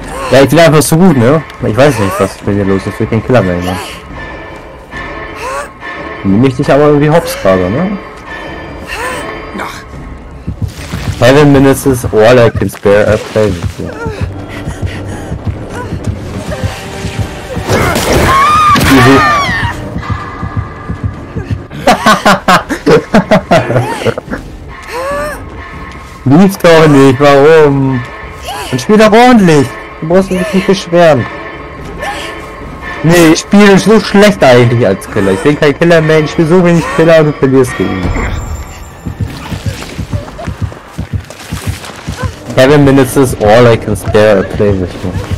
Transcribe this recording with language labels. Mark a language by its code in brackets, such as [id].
[de] Ja, ich bin einfach so gut, ne? Ich weiß nicht, was mit dir los ist. Ich will keinen Killer mehr, ne? Nimm ich dich aber irgendwie hops gerade, ne? [en] 7 minutes is all I can spare a play with you. [de] Lief doch nicht, warum? Dann spiel doch ordentlich. Du brauchst dich nicht beschweren. Nee, ich spiele so schlecht eigentlich als Killer. Ich bin kein Killer mehr, ich spiele so wenig Killer und du verlierst gegen mich. [en] 7 minutes is all I can spare a play with you.